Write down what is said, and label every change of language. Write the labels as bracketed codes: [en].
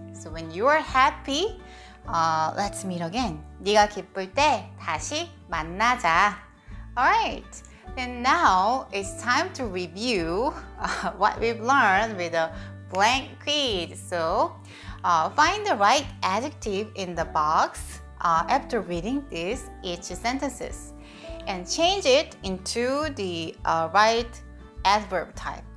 [en] So when you are happy, let's meet again. [ko] 네가 기쁠 때 다시 만나자. [en] Alright, and now it's time to review what we've learned with a blank quiz. So find the right adjective in the box after reading these each sentences. And change it into the right adverb type.